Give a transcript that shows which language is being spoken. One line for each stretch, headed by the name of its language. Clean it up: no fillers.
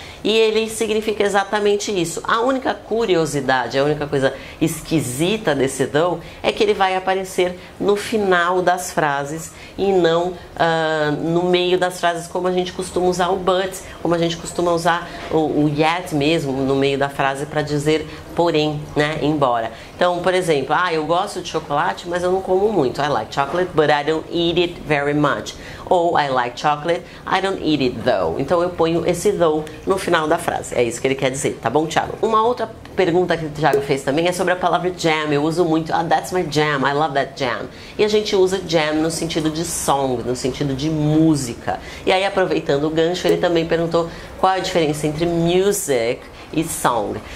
Portuguese: E ele significa exatamente isso. A única curiosidade, a única coisa esquisita desse dão é que ele vai aparecer no final das frases e não no meio das frases, como a gente costuma usar o but, como a gente costuma usar o yet mesmo no meio da frase para dizer porém, né? Embora. Então, por exemplo, ah, eu gosto de chocolate, mas eu não como muito.
English: I like chocolate, but I don't eat it very much. Ou I like chocolate, I don't eat it though.
Portuguese: Então eu ponho esse though no final da frase. É isso que ele quer dizer, tá bom, Thiago? Uma outra pergunta que o Thiago fez também é sobre a palavra jam. Eu uso muito, ah,
English: that's my jam, I love that jam.
Portuguese: E a gente usa jam no sentido de song, no sentido de música. E aí, aproveitando o gancho, ele também perguntou qual a diferença entre music e song.